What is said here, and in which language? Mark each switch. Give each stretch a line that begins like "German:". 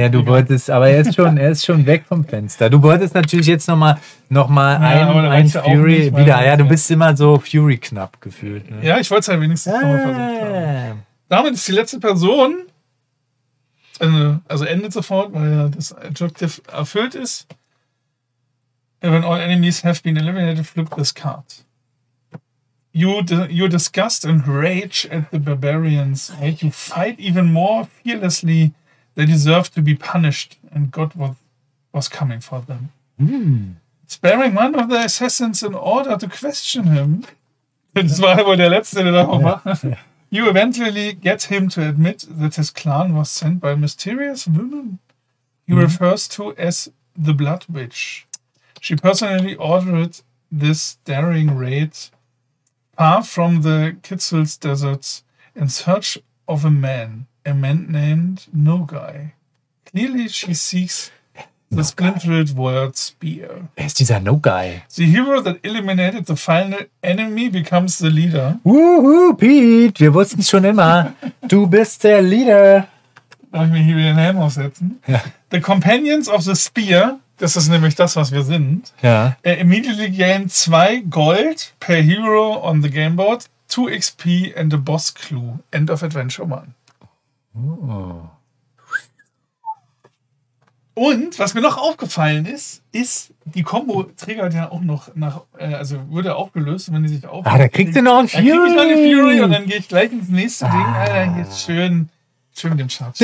German: Ja, du wolltest, aber er ist schon weg vom Fenster. Du wolltest natürlich jetzt nochmal ja, ein Fury nicht, wieder. Ja, du bist immer so Fury knapp gefühlt. Ne? Ja, ich wollte es halt wenigstens nochmal versuchen. Haben. Damit ist die letzte Person. Also endet sofort, weil das Objective erfüllt ist.
English: When all enemies have been eliminated, flip this card. You disgust and rage at the barbarians. Make you fight even more fearlessly. They deserve to be punished and got what was coming for them. Sparing one of the assassins in order to question him.
German: Das war wohl der Letzte, der da auch war.
English: You eventually get him to admit that his clan was sent by a mysterious woman he refers to as the Blood Witch. She personally ordered this daring raid far from the Kitzel's deserts in search of a man named Nogai. Clearly she seeks the splintered world spear.
German: Wer ist dieser Nogai?
English: The hero that eliminated the final enemy becomes the leader.
German: Woohoo, Pete, wir wussten es schon immer. Du bist der Leader. Darf ich mir hier wieder den Helm aufsetzen? Ja.
English: The companions of the spear,
German: das ist nämlich das, was wir sind, ja.
English: Immediately gain 2 gold per hero on the game board, 2 XP and a boss clue. End of adventure, man. Oh.
German: Und was mir noch aufgefallen ist, ist, die Kombo triggert ja auch noch nach, also wurde aufgelöst, wenn die sich auflöst. Ah, da kriegst du noch einen Fury. Dann krieg ich noch eine Fury und dann gehe ich gleich ins nächste Ding. Alter, jetzt schön mit dem Charge.